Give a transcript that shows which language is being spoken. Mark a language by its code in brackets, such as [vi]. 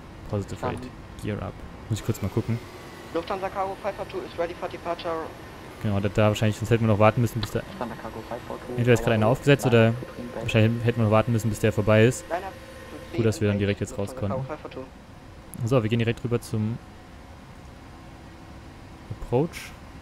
[en] Positive Rate, Gear Up. [de] Muss ich kurz mal gucken. [en] Lufthansa Cargo 542 is ready for departure. [de] Genau, da wahrscheinlich, sonst hätten wir noch warten müssen, bis der. Entweder ist gerade einer aufgesetzt oder wahrscheinlich hätten wir noch warten müssen, bis der vorbei ist. Gut, dass wir dann direkt jetzt rauskommen. So, wir gehen direkt rüber zum Approach.